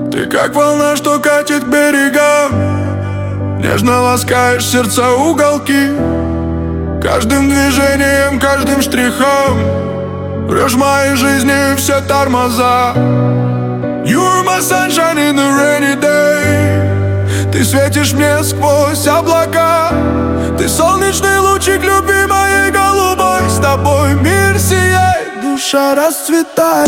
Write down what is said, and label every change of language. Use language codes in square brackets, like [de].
[ru] как волна, что катит к берегам. Нежно ласкаешь сердца уголки, каждым движением, каждым штрихом рвешь в моей жизни все тормоза. [en] You're my sunshine in the rainy day. [ru] Ты светишь мне сквозь облака. Ты солнечный лучик любви моей голубой. С тобой мир сияет, душа расцветает.